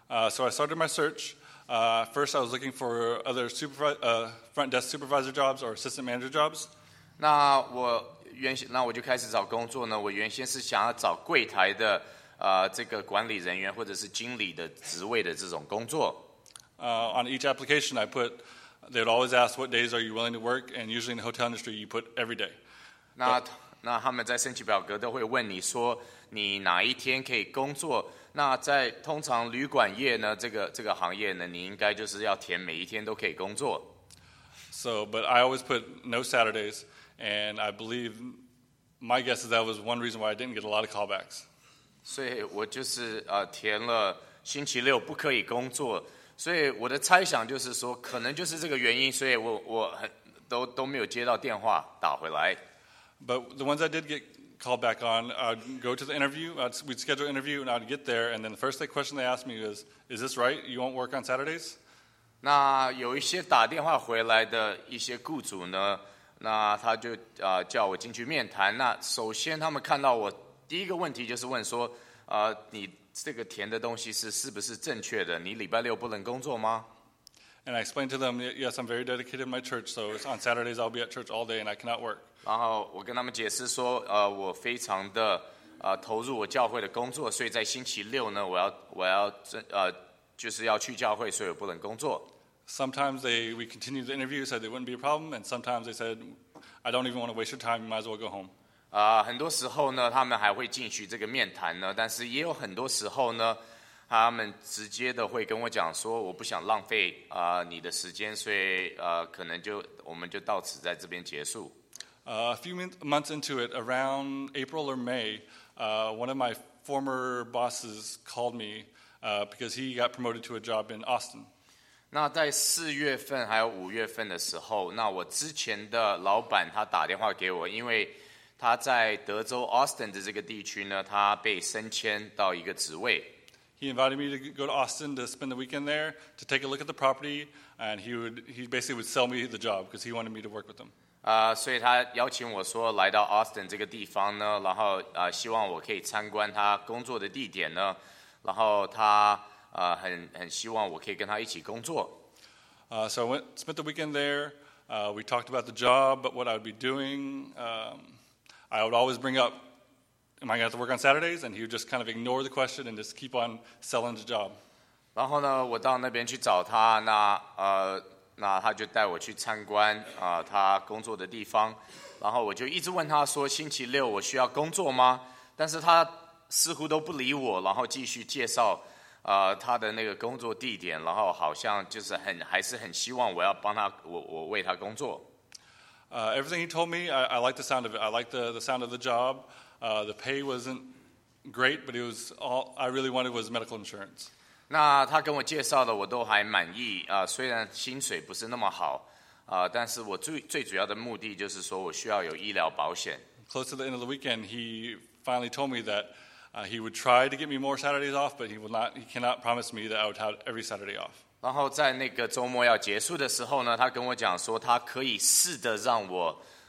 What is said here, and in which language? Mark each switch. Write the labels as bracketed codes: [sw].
[en] So I started my search. First, I was looking for other front desk supervisor jobs or assistant manager jobs. [zh] 那我就开始找工作呢，我原先是想要找柜台的 这个管理人员或者是经理的职位的这种工作。 [en] On each application I put, they'd always ask what days are you willing to work, and usually in the hotel industry you put every day. [zh] 那他们在申请表格都会问你说你哪一天可以工作。那在通常旅馆业呢，这个行业呢，你应该就是要填每一天都可以工作。 [en] So, but I always put no Saturdays, and I believe my guess is that was one reason why I didn't get a lot of callbacks. [zh] 所以我就是填了星期六不可以工作，所以我的猜想就是说，可能就是这个原因，所以我都没有接到电话打回来。 [en] But the ones I did get called back on, I'd go to the interview, we'd schedule an interview, and I'd get there, and then the first question they asked me is this right? You won't work on Saturdays? [zh] 那有一些打电话回来的一些雇主呢，那他就叫我进去面谈。那首先他们看到我第一个问题就是问说，你这个填的东西是不是正确的？你礼拜六不能工作吗？ [en] And I explained to them, yes, I'm very dedicated to my church, so on Saturdays I'll be at church all day and I cannot work. [zh] 然后我跟他们解释说，我非常的投入我教会的工作，所以在星期六呢，我要去教会，所以我不能工作。 [en] Sometimes we continued the interview, said it wouldn't be a problem, and sometimes they said, I don't even want to waste your time, you might as well go home. [zh] 很多时候呢，他们还会进去这个面谈呢，但是也有很多时候呢，他们直接的会跟我讲说，我不想浪费你的时间，所以可能就我们就到此在这边结束。 [en] A few months into it, around April or May, one of my former bosses called me because he got promoted to a job in Austin. [zh] 那在四月份还有五月份的时候，那我之前的老板他打电话给我，因为他在德州 Austin 的这个地区呢，他被升迁到一个职位。 [en] He invited me to go to Austin to spend the weekend there to take a look at the property, and he basically would sell me the job because he wanted me to work with him. [zh] 所以他邀请我说来到 Austin 这个地方呢，然后希望我可以参观他工作的地点呢，然后他很希望我可以跟他一起工作。 [en] So I spent the weekend there. We talked about the job, but what I would be doing. I would always bring up. Am I going to have to work on Saturdays? And he would just kind of ignore the question and just keep on selling the job. [zh] 然后呢，我到那边去找他，那他就带我去参观他工作的地方。然后我就一直问他说，星期六我需要工作吗？但是他似乎都不理我，然后继续介绍他的那个工作地点，然后好像就是还是很希望我要帮他，我为他工作。 [en] Everything he told me, I like the sound of it. I like the sound of the job. The pay wasn't great, but it was all I really wanted was medical insurance. [zh] 那他跟我介绍的我都还满意虽然薪水不是那么好但是我最主要的目的就是说我需要有医疗保险。 [en] Close to the end of the weekend, he finally told me that he would try to get me more Saturdays off, but he cannot promise me that I would have every Saturday off. [zh] 然后在那个周末要结束的时候呢，他跟我讲说他可以试着让我。